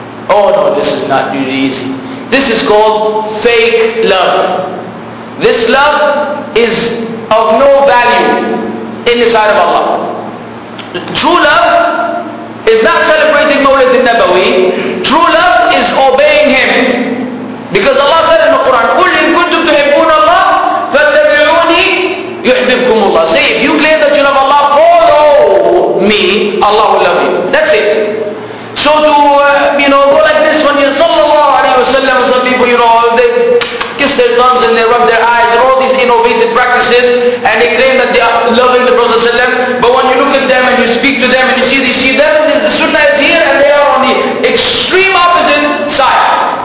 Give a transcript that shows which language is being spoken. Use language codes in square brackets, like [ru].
[en] Oh no, this is not really easy. This is called fake love. This love is of no value in the sight of Allah. True love is not celebrating Mawlid al-Nabawi. True love is obeying Him. Because Allah said in the Quran, [ar] قُلْ إِن كُنْتُمْ تُحِبُّونَ اللَّهِ فَاتَّبِعُونِي يُحْبِبْكُمُ اللَّهِ. [en] Say, if you claim that you love Allah, follow me, Allah will love you. That's it. So to, you know, go like this when you're sallallahu alayhi wa sallam, some people, you know, they kiss their thumbs and they rub their eyes and all these innovative practices, and they claim that they are loving the Prophet sallallahu alayhi wa sallam. But when you look at them and you speak to them and you see, they see them, the sunnah is here and they are on the extreme opposite side.